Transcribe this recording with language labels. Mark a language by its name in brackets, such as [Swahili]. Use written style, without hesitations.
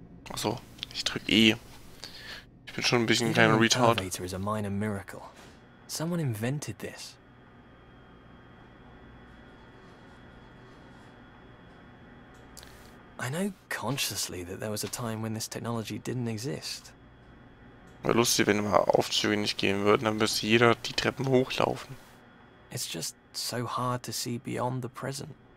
[German] Achso, ich drücke E. Ich bin schon ein bisschen kleiner Retard. [English] The elevator is a minor miracle. Someone invented this. I know consciously that there was a time when this technology didn't exist. [German] Wäre lustig, wenn wir Aufzüge nicht gehen würden, dann müsste jeder die Treppen hochlaufen. [English] It's just so hard to see beyond the present.